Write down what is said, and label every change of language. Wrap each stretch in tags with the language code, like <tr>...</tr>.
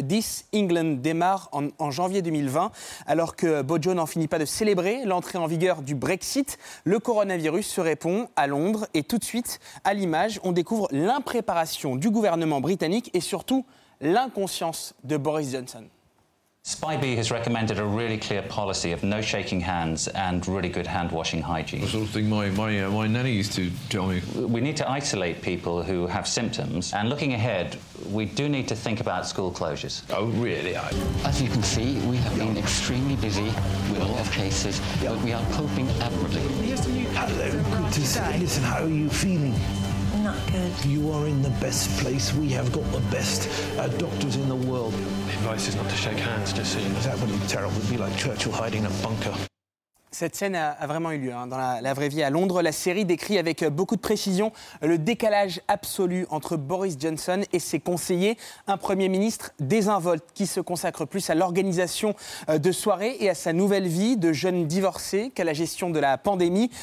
<fr>This England démarre en janvier 2020, alors que Bojo n'en finit pas de célébrer l'entrée en vigueur du Brexit. Le coronavirus se répand à Londres et tout de suite, à l'image, on découvre l'impréparation du gouvernement britannique et surtout l'inconscience de Boris Johnson.</fr> <en>Spybee has recommended a really clear policy of no shaking hands and really good hand washing hygiene. The sort of thing my nanny used to tell me. We need to isolate people who have symptoms. And looking ahead, we do need to think about school closures. Oh, really? As you can see, we have been extremely busy with a lot of cases, but we are coping admirably. Hello, good to see you. Listen, how are you feeling? Not good. You are in the best place. We have got the best doctors in the world. The advice is not to shake hands, just so you know. That would be terrible. It'd be like Churchill hiding in a bunker.</en> <fr>Cette scène a vraiment eu lieu dans la vraie vie à Londres. La série décrit avec beaucoup de précision le décalage absolu entre Boris Johnson et ses conseillers. Un Premier ministre désinvolte qui se consacre plus à l'organisation de soirées et à sa nouvelle vie de jeune divorcé qu'à la gestion de la pandémie.</fr>